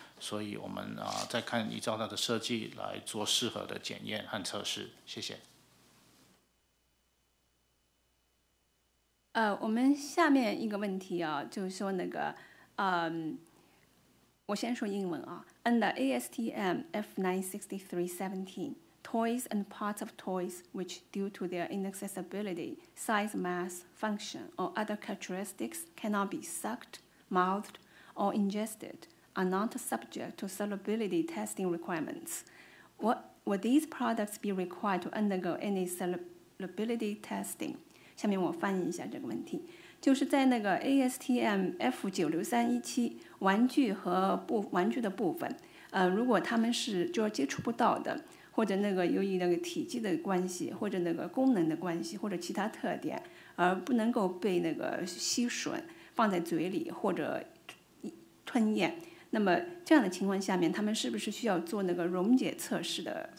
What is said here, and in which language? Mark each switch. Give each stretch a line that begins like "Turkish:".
Chinese: 所以我们再看依照它的设计来做适合的检验和测试。谢谢。我们下面一个问题啊，就是说那个，我先说英文啊。
English: Under ASTM F963-17, toys and parts of toys which, due to their inaccessibility, size, mass, function, or other characteristics, cannot be sucked, mouthed. Or ingested are not subject to solubility testing requirements. What would these products be required to undergo any solubility testing?
Chinese: 下面我翻译一下这个问题，就是在那个 ASTM F963-17 玩具和玩具的部分，如果他们是就接触不到的，或者那个由于那个体积的关系，或者那个功能的关系，或者其他特点，而不能够被那个吸吮，放在嘴里或者吞咽，那么这样的情况下面，他们是不是需要做那个溶解测试的？